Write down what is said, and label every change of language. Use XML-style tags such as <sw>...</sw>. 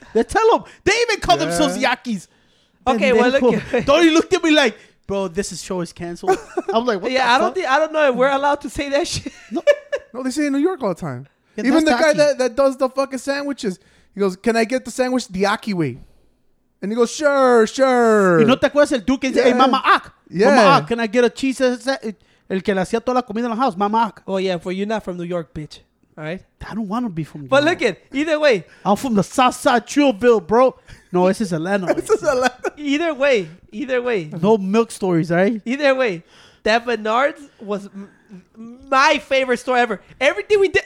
<en>They tell them. They even call themselves the Akis. Okay, well, look. Tony looked at me like, bro, this show is canceled. I'm like, what the fuck? I don't know if we're allowed to say that shit. No, they say in New York all the time. Yeah, even the guy that does the fucking sandwiches. He goes, can I get the sandwich the Aki way? And he goes, sure.</en> <es>Y no te acuerdas el duque que dice, hey, mama, ak. Yeah. Mama, ak,</es> <en>can I get a cheese?</en> <es>El que le hacía toda la comida en la house, mama, ak.</es> <en>Oh, yeah, but you're not from New York, bitch. All right? I don't want to be from New York. But look it. Either way. I'm from the South Side, Trillville, bro. No, this is Atlanta. This is Atlanta. Either way. No milk stories, right? Either way. That Menards was my favorite store ever. Everything we did.</en>